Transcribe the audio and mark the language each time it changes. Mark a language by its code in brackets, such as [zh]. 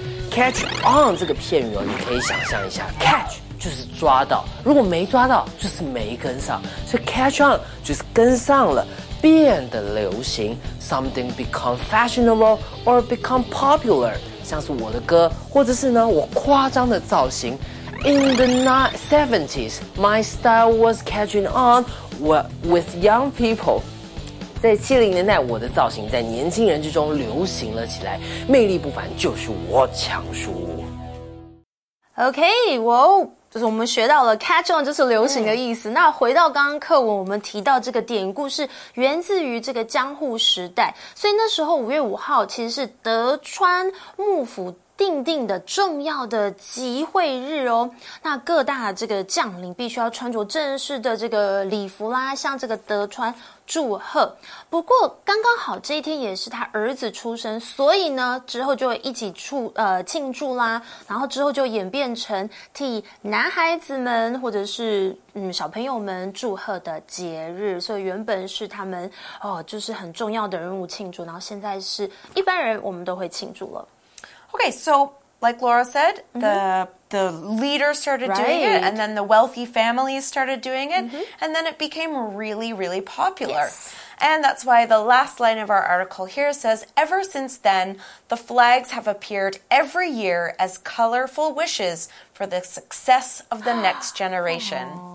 [zh] Catch on 这个片语哦，你可以想象一下 ，catch 就是抓到，如果没抓到就是没跟上，所以 catch on 就是跟上了，变得流行 ， [en] something become fashionable or become popular。 [zh] 像是我的歌，或者是呢我夸张的造型。 [en] In the 1970s, my style was catching on with young people。 [zh] 在70年代，我的造型在年轻人之中流行了起来，魅力不凡就是我强叔。 [en] Okay, whoa. [zh] 就是我们学到了 catch on 就是流行的意思、那回到刚刚课文，我们提到这个典故是源自于这个江户时代，所以那时候5月5号其实是德川幕府定定的重要的集会日哦。那各大这个将领必须要穿着正式的这个礼服啦，向这个德川祝贺。不过刚刚好这一天也是他儿子出生，所以呢之后就一起庆祝啦，然后之后就演变成替男孩子们或者是小朋友们祝贺的节日。所以原本是他们就是很重要的人物庆祝，然后现在是一般人我们都会庆祝了。 [en] Okay, so like Laura said, the leader started doing it, and then the wealthy families started doing it, and then it became really, really popular. Yes. And that's why the last line of our article here says, ever since then, the flags have appeared every year as colorful wishes for the success of the next generation.